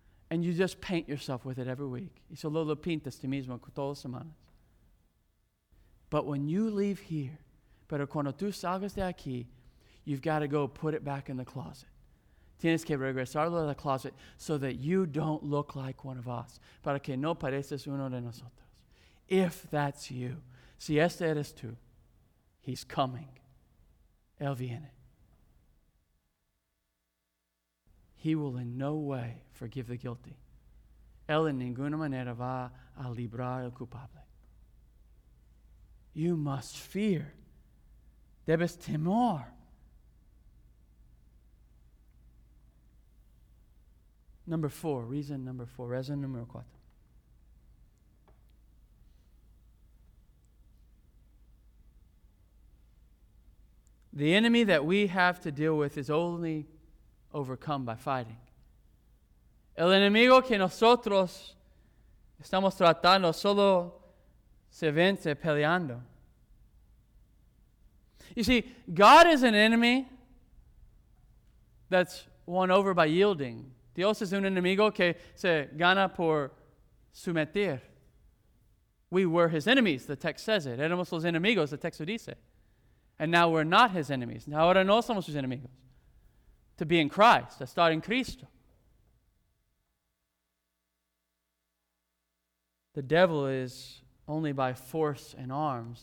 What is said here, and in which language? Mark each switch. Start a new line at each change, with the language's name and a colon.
English: And you just paint yourself with it every week.
Spanish: Y solo lo pintas tú mismo todas las semanas.
English: But when you leave here,
Spanish: pero cuando tú salgas de aquí,
English: you've got to go put it back in the closet.
Spanish: Tienes que regresar a la closet
English: so that you don't look like one of us.
Spanish: Para que no pareces uno de nosotros.
English: If that's you,
Spanish: si este eres tú,
English: He's coming.
Spanish: Él viene.
English: He will in no way forgive the guilty.
Spanish: Él en ninguna manera va a librar el culpable.
English: You must fear.
Spanish: Debes temor.
English: Number four, reason number four,
Spanish: razón número cuatro.
English: The enemy that we have to deal with is only overcome by fighting.
Spanish: El enemigo que nosotros estamos tratando solo se vence peleando.
English: You see, God is an enemy that's won over by yielding.
Spanish: Dios es un enemigo que se gana por someter.
English: We were His enemies, the text says it.
Spanish: Éramos los enemigos,
English: the
Spanish: texto dice.
English: And now we're not His enemies.
Spanish: Now ahora no somos sus enemigos.
English: To be in Christ, to
Spanish: estar en Cristo.
English: The devil is only by force and arms.